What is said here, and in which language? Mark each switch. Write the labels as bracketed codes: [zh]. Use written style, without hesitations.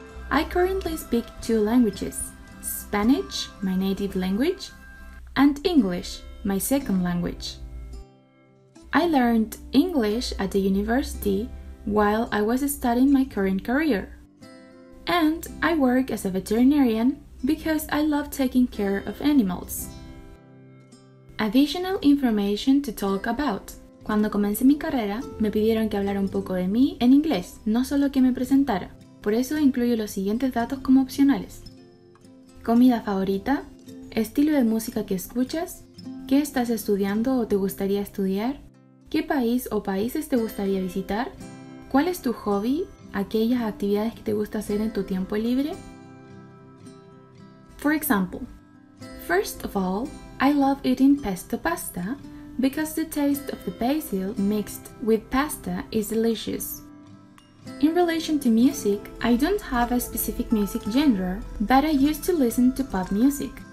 [en] I currently speak two languages, Spanish, my native language, and English, my second language. I learned English at the university while I was studying my current career. And I work as a veterinarian because I love taking care of animals. Additional information to talk about. [es] Cuando comencé mi carrera, me pidieron que hablara un poco de mí en inglés, no solo que me presentara. Por eso incluyo los siguientes datos como opcionales. Comida favorita, estilo de música que escuchas, qué estás estudiando o te gustaría estudiar, qué país o países te gustaría visitar, cuál es tu hobby, aquellas actividades que te gusta hacer en tu tiempo libre. [en] For example, first of all, I love eating pesto pasta because the taste of the basil mixed with pasta is delicious. In relation to music, I don't have a specific music genre, but I used to listen to pop music.